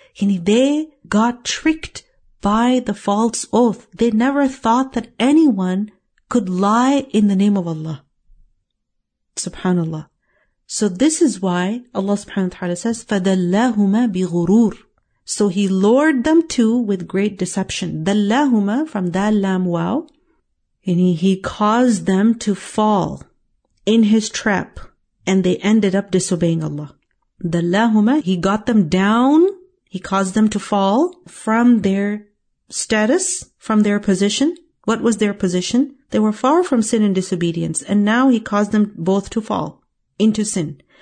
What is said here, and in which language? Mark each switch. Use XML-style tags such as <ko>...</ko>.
<en>They got tricked by the false oath. They never thought that anyone could lie in the name of Allah. Subhanallah. So this is why Allah subhanahu wa ta'ala says,</en> <ar>فَدَلَّهُمَا بِغُرُورٍ.</ar> <en>So he lured them too with great deception.</en> <ar>دَلَّهُمَا from دَلْ لَمْ وَاوْ.</ar> <en>And he caused them to fall in his trap, and they ended up disobeying Allah. دَلَّهُمَا, he got them down, he caused them to fall from their status, from their position. What was their position? They were far from sin and disobedience, and now he caused them both to fall into sin.</en>